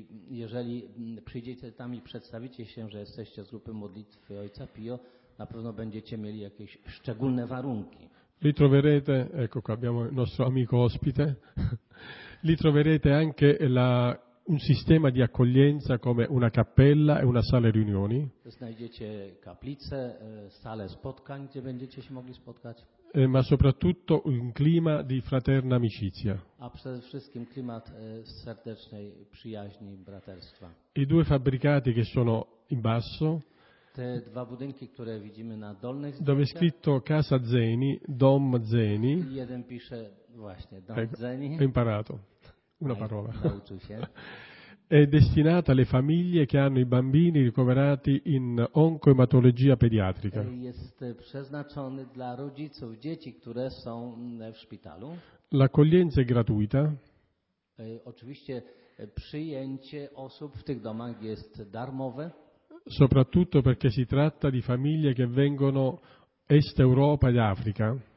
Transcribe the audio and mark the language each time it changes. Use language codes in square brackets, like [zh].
[pl] Jeżeli przyjdziecie tam i przedstawicie się, że jesteście z grupy modlitwy ojca Pio, na pewno będziecie mieli jakieś szczególne warunki. [it] Li troverete, ecco qua abbiamo il nostro amico ospite, li troverete anche un sistema di accoglienza come una cappella e una sala riunioni. [pl] Znajdziecie kaplicę, salę spotkań, gdzie będziecie się mogli spotkać. [it] Ma soprattutto un clima di fraterna amicizia. [pl] A przede wszystkim klimat serdecznej przyjaźni, braterstwa. [it] I due fabbricati che sono in basso. [pl] Te dwa budynki, które widzimy na dolnej zdjęciach. [it] Dove è scritto Casa Zeni, Dom Zeni. [pl] I jeden pisze właśnie Dom Zeni. [it] Ho imparato. Una parola. [pl] Się. [it] È destinata alle famiglie che hanno i bambini ricoverati in oncoematologia pediatrica. [pl] Jest przeznaczony dla rodziców dzieci, które są w szpitalu. [it] L'accoglienza è gratuita. [pl] Oczywiście przyjęcie osób w tych domach jest darmowe. [it] Soprattutto perché si tratta di famiglie che vengono Est Europa ed Africa.